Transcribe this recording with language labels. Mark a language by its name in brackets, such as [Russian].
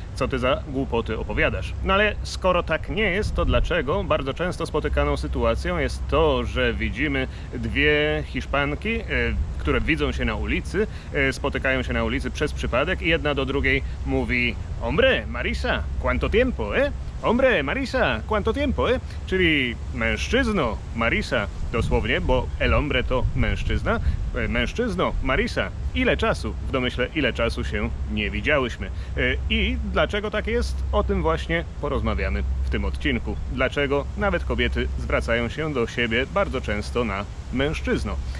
[Polish] Co ty za głupoty opowiadasz? No ale skoro tak nie jest, to dlaczego bardzo często spotykaną sytuacją jest to, że widzimy dwie Hiszpanki, które widzą się na ulicy, spotykają się na ulicy przez przypadek i jedna do drugiej mówi, [Spanish] hombre, Marisa, ¿cuánto tiempo, eh? Hombre, Marisa, ¿cuánto tiempo, eh? [Polish] Czyli mężczyzno, Marisa, dosłownie, bo el hombre to mężczyzna. Mężczyzno, Marisa, ile czasu, w domyśle ile czasu się nie widziałyśmy. I dlaczego tak jest? O tym właśnie porozmawiamy w tym odcinku. Dlaczego nawet kobiety zwracają się do siebie bardzo często na mężczyzno.